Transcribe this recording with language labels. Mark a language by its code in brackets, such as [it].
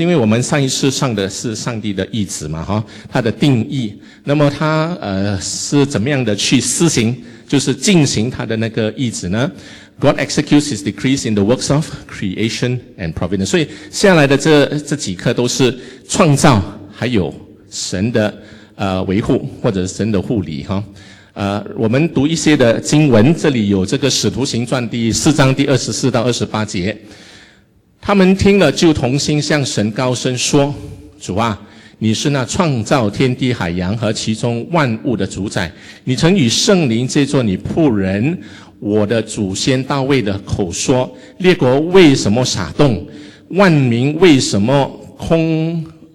[zh] 因为我们上一次上的是上帝的意志嘛，哈，他的定义。那么他是怎么样的去施行，就是进行他的那个意志呢？ [en] God executes His decrees in the works of creation and providence. [zh] 所以下来的这几课都是创造，还有神的维护或者神的护理，哈。我们读一些的经文，这里有这个《使徒行传》第四章第24到28节。他们听了就同心向神高声说，主啊，你是那创造天地海洋和其中万物的主宰，你曾与圣灵借着你仆人我的祖先大卫的口说，列国为什么傻动，万民为什么空